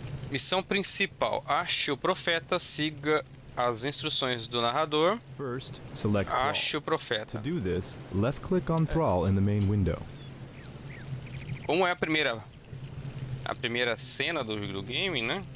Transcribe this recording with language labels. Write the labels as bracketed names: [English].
[Portuguese] Missão principal: ache o profeta, siga as instruções do narrador. [English] First, select [Portuguese] Ache o profeta. [English] To do this, left click on Thrall in the main window. [Portuguese] Como é a primeira cena do game, né?